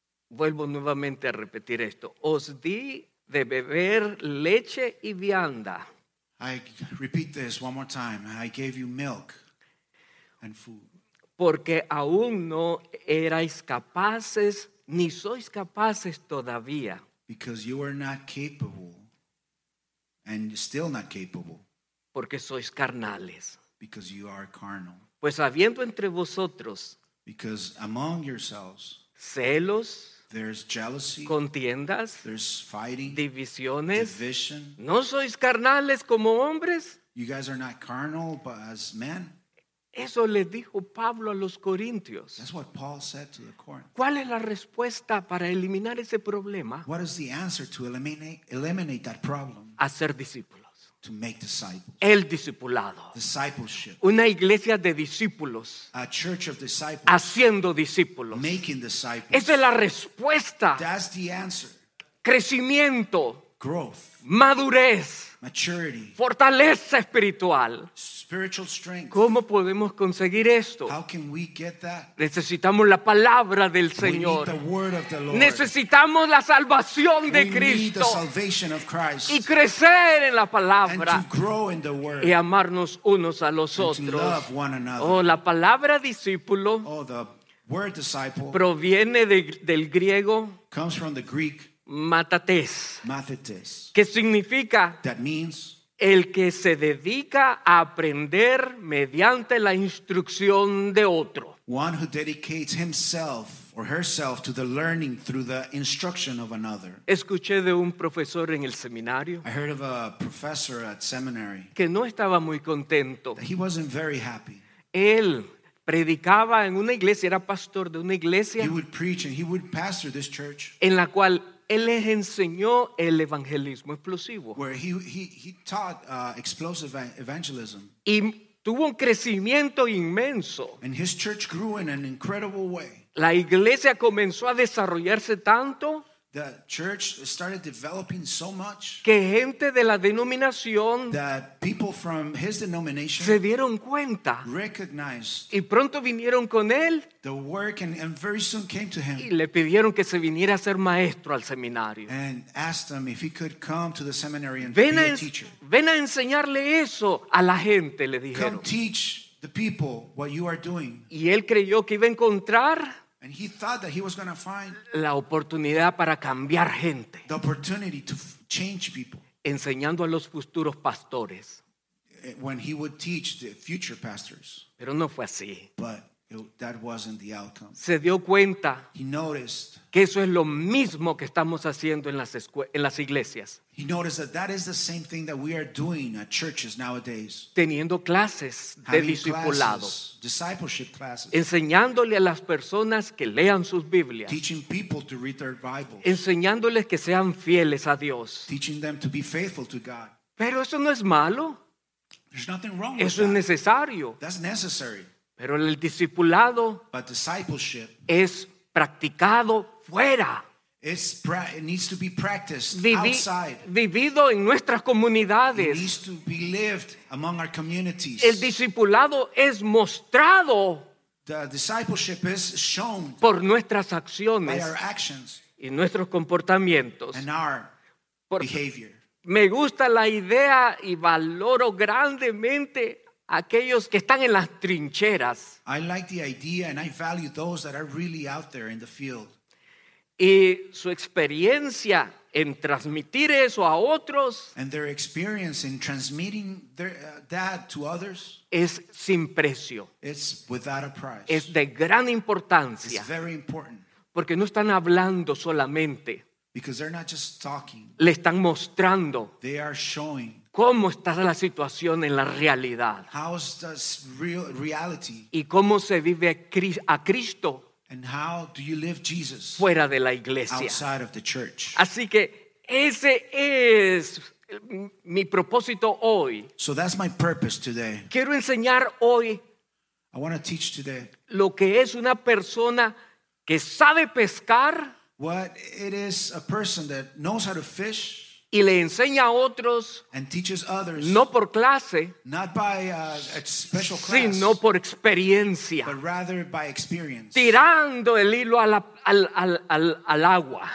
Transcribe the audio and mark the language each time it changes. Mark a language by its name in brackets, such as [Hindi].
[Spanish] Vuelvo nuevamente a repetir esto. Os di de beber leche y vianda. [English] I repeat this one more time. I gave you milk and food. [Spanish] Porque aún no erais capaces, ni sois capaces todavía. [English] Because you are not capable, and still not capable. [Spanish] Porque sois carnales. [English] Because you are carnal. [Spanish] Pues habiendo entre vosotros, [English] because among yourselves, [Spanish] celos, [English] there's jealousy, [Spanish] contiendas, [English] there's fighting, [Spanish] divisiones, [English] division, [Spanish] no sois carnales como hombres, [English] you guys are not carnal but as men. [Spanish] Eso le dijo Pablo a los Corintios. [English] That's what Paul said to the Corinthians. [Spanish] ¿Cuál es la respuesta para eliminar ese problema? [English] What is the answer to eliminate that problem? [Spanish] Hacer discípulos. [English] To make disciples. [Spanish] El discipulado. [English] Discipleship. [Spanish] Una iglesia de discípulos. [English] A church of disciples. [Spanish] Haciendo discípulos. [English] Making disciples. [Spanish] Esa es la respuesta. [English] That's the answer. [Spanish] Crecimiento. [English] Growth. [Spanish] Madurez. [English] Maturity. [Spanish] Fortaleza espiritual. [English] Spiritual strength. [Spanish] ¿Cómo podemos conseguir esto? [English] How can we get that? [Spanish] Necesitamos la palabra del Señor. [English] We need the word of the Lord. [Spanish] Necesitamos la salvación de Cristo. [English] We need the salvation of Christ. [Spanish] Y crecer en la palabra. [English] And to grow in the word. [Spanish] Y amarnos unos a los [English] and [Spanish] otros. [English] To love one another. [Spanish] Oh, la palabra discípulo. [English] Oh, the word disciple. [Spanish] Proviene del griego. [English] Comes from the Greek. [Spanish] Matates. ¿Qué significa? [English] That means [Spanish] el que se dedica a aprender mediante la instrucción de otro. [English] One who dedicates himself or herself to the learning through the instruction of another. [Spanish] Escuché de un profesor en el seminario. [English] I heard of a professor at seminary. [Spanish] Que no estaba muy contento. [English] That he wasn't very happy. [Spanish] Él predicaba en una iglesia, era pastor de una iglesia. [English] He would preach and he would pastor this church. [Spanish] En la cual él les enseñó el evangelismo explosivo. [English] Where he taught explosive evangelism. [Spanish] Y tuvo un crecimiento inmenso. [English] And his church grew in an incredible way. [Spanish] La iglesia comenzó a desarrollarse tanto. [English] The church started developing so much. [Spanish] Que gente de la denominación. [English] That people from his denomination. [Spanish] Se dieron cuenta. [English] Recognized. [Spanish] Y pronto vinieron con él. [English] The work and very soon came to him. [Spanish] Y le pidieron que se viniera a ser maestro al seminario. [English] And asked him if he could come to the seminary and [Spanish] ven [English] be a teacher. [Spanish] Ven a enseñarle eso a la gente, le dijeron. [English] Come teach the people what you are doing. [Spanish] Y él creyó que iba a encontrar. [English] And he thought that he was going to find [Spanish] la oportunidad para cambiar gente. [English] The opportunity to change people. [Spanish] Enseñando a los futuros pastores. [English] When he would teach the future pastors. [Spanish] Pero no fue así. [English] But That wasn't the outcome. [Spanish] Se dio cuenta. [English] He noticed [Spanish] que eso es lo mismo que estamos haciendo en las iglesias. [English] He noticed that that is the same thing that we are doing at churches nowadays. [Spanish] Teniendo clases de discipulado. [English] Discipleship classes. [Spanish] Enseñándole a las personas que lean sus Biblias. [English] Teaching people to read their Bibles. [Spanish] Enseñándoles que sean fieles a Dios. [English] Teaching them to be faithful to God. [Spanish] Pero eso no es malo. [English] There's nothing wrong [Spanish] eso [English] with that. [Spanish] Eso es necesario. [English] That's necessary. [Spanish] Pero el discipulado es practicado fuera. [English] It needs to be practiced outside. [Spanish] Vivido en nuestras comunidades. [English] It needs to be lived among our communities. [Spanish] El discipulado es mostrado. [English] The discipleship is shown [Spanish] por nuestras acciones [English] by our actions [Spanish] y nuestros comportamientos. [English] And our behavior. [Spanish] Me gusta la idea y valoro grandemente aquellos que están en las trincheras. [English] I like the idea and I value those that are really out there in the field. [Spanish] Y su experiencia en transmitir eso a otros. [English] And their experience in transmitting that to others. [Spanish] Es sin precio. [English] It's without a price. [Spanish] Es de gran importancia. [English] It's very important. [Spanish] Porque no están hablando solamente. [English] Because they're not just talking. [Spanish] Le están mostrando. [English] They are showing. [Spanish] ¿Cómo está la situación en la realidad? [English] How's this reality? [Spanish] ¿Y cómo se vive a Cristo? [English] And how do you live Jesus? [Spanish] Fuera de la iglesia. [English] Outside of the church. [Spanish] Así que ese es mi propósito hoy. [English] So that's my purpose today. [Spanish] Quiero enseñar hoy. [English] I want to teach today. [Spanish] Lo que es una persona que sabe pescar. [English] What it is a person that knows how to fish. [Spanish] Y le enseña a otros, [English] and teaches others, [Spanish] no por clase, [English] not by a special class, [Spanish] sino por experiencia, [English] but rather by experience, [Spanish] tirando el hilo al agua,